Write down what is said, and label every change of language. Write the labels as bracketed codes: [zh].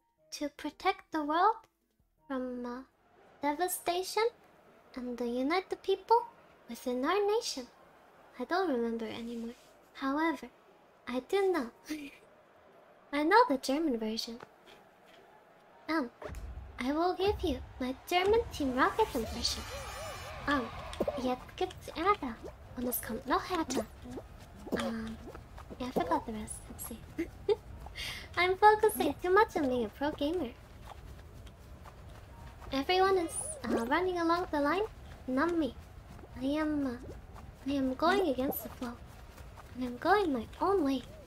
[en] To protect the world from devastation and to unite the people within our nation. I don't remember anymore. However, I do know. I know the German version. I will give you my German Team Rocket impression. [de] Jetzt gibt's Ärger und es kommt noch härter. [en] Yeah, I forgot the rest. Let's see. I'm focusing too much on being a pro gamer. Everyone is running along the line, not me. I am going against the flow. I'm going my own way.